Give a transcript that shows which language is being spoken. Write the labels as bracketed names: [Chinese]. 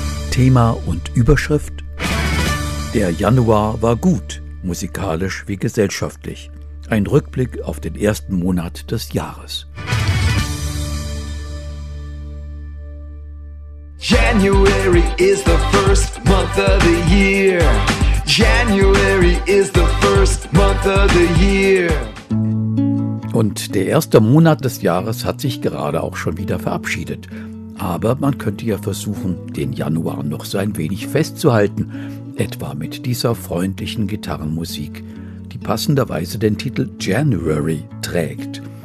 [German] Thema und Überschrift: Der Januar war gut, musikalisch wie gesellschaftlich. Ein Rückblick auf den ersten Monat des Jahres. [English] January is the first month of the year. January is the first month of the year. [German] Und der erste Monat des Jahres hat sich gerade auch schon wieder verabschiedet. Aber man könnte ja versuchen, den Januar noch so ein wenig festzuhalten, etwa mit dieser freundlichen Gitarrenmusik, die passenderweise den Titel January trägt.